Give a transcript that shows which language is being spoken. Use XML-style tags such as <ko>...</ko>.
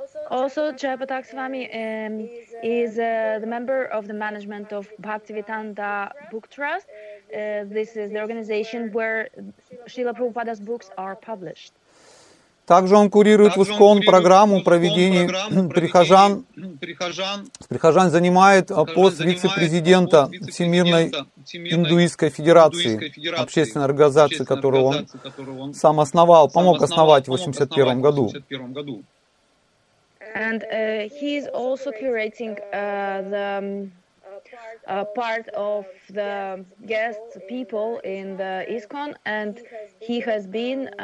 <en>Also, Jayapatak Swami is the member of the management of Bhaktivedanta Book Trust. This is the organization where Srila Prabhupada's books are published.</en> <ru>Также он курирует в ИСККОН программу проведения прихожан. Прихожан занимает пост вице-президента Всемирной индуистской федерации, общественной организации, которую он сам основал, помог основать в 81 году.</ru> <en>And he is also curating the part of the guests people in the ISKCON, and he has been.</en>